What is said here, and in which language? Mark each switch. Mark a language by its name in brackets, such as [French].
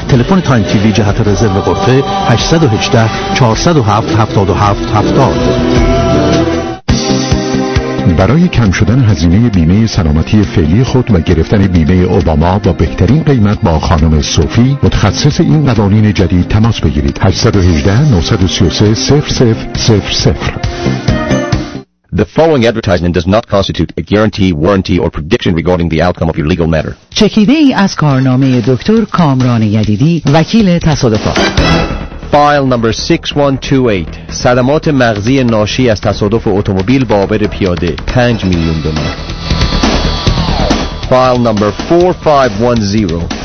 [Persian] تلفن تایم تیوی جهت رزرو غرفه 818-407-7770. برای کم شدن هزینه بیمه سلامتی فعلی خود و گرفتن بیمه اوباما با بهترین قیمت با خانم صوفی متخصص این قوانین جدید تماس بگیرید. 818-933-0000. [English] The following advertisement does not constitute a guarantee, warranty or prediction regarding the outcome of your legal matter. [Persian] چکیده ای از کارنامه دکتر کامران یدیدی وکیل تصادفات. [English] File number 6128. [Persian] صدمات مغزی ناشی از تصادف اتومبیل با عابر پیاده. 5 میلیون دلار. [English] File number 4510.